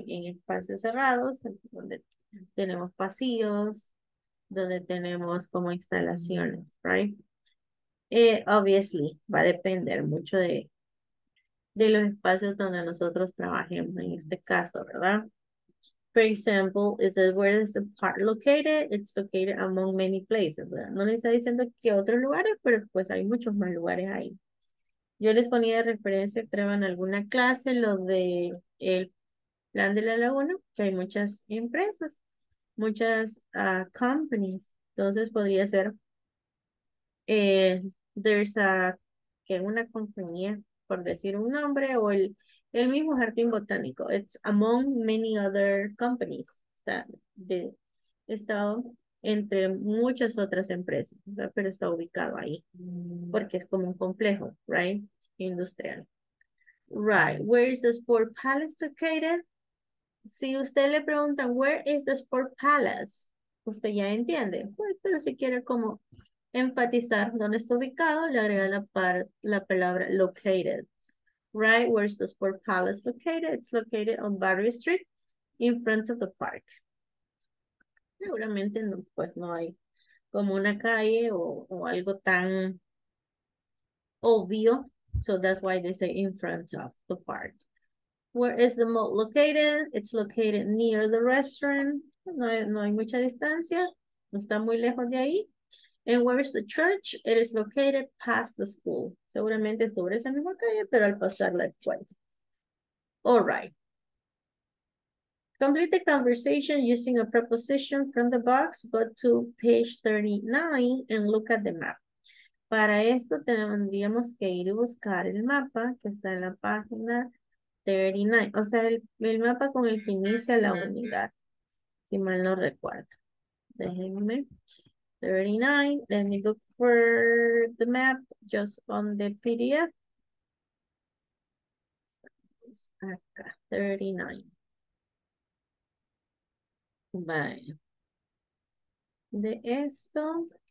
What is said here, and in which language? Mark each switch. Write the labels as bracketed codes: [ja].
[es] En espacios cerrados, donde tenemos pasillos, donde tenemos como instalaciones, ¿right? Obviously, va a depender mucho de los espacios donde nosotros trabajemos en este caso, ¿verdad? [en] For example, it says, where is the part located? It's located among many places. ¿Verdad? [es] No le está diciendo que otros lugares, pero pues hay muchos más lugares ahí. Yo les ponía de referencia, creo, en alguna clase, lo de el plan de la laguna, que hay muchas empresas, muchas companies. Entonces podría ser, [en] there's a, [es] que una compañía, por decir un nombre, o el mismo jardín botánico. [en] It's among many other companies. [es] Está, de, está entre muchas otras empresas, ¿verdad? Pero está ubicado ahí, porque es como un complejo, right? [en] Industrial. Right, where is the Sport Palace located? [es] Si usted le pregunta, [en] where is the Sport Palace? [es] Usted ya entiende. Well, pero si quiere como enfatizar dónde está ubicado, le agrega la palabra located. [en] Right, where is the Sport Palace located? It's located on Barry Street in front of the park. [es] Seguramente no, pues no hay como una calle o algo tan obvio. [en] So that's why they say in front of the park. Where is the mall located? It's located near the restaurant. [es] No hay mucha distancia. No está muy lejos de ahí. [en] And where is the church? It is located past the school. [es] Seguramente sobre esa misma calle, pero al pasar la escuela. [en] All right. Complete the conversation using a preposition from the box. Go to page 39 and look at the map. [es] Para esto tendríamos que ir y buscar el mapa que está en la página 39. O sea, el mapa con el que inicia la unidad, si mal no recuerdo. Déjenme. 39. [en] Let me look for the map just on the PDF. [es] Acá, 39. Bye. De esto.